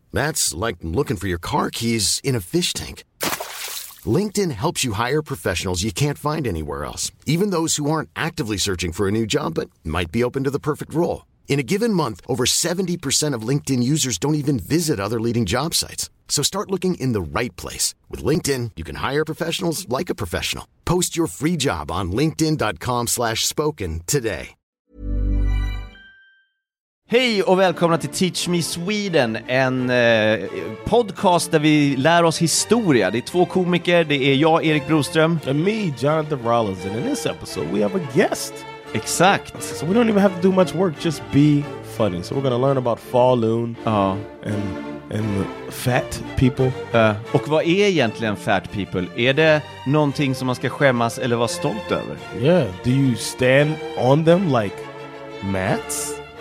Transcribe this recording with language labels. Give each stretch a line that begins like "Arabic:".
English: That's like looking for your car keys in a fish tank. LinkedIn helps you hire professionals you can't find anywhere else, even those who aren't actively searching for a new job but might be open to the perfect role. In a given month, over 70% of LinkedIn users don't even visit other leading job sites. So start looking in the right place. With LinkedIn, you can hire professionals like a professional. Post your free job on linkedin.com/spoken today.
Swedish: Hej och välkomna till Teach Me Sweden, en podcast där vi lär oss historia. Det är två komiker, det är jag, Erik Broström.
English: And me, Jonathan Rollins. And in this episode, we have a guest.
Swedish: Exakt.
English: So we don't even have to do much work, just be funny. So we're gonna learn about Falun.
Swedish: Ja.
English: And fat people.
Swedish: Och vad är egentligen
English: fat people?
Swedish: Är det någonting som man ska skämmas eller vara stolt över?
English: Yeah, do you stand on them like mats?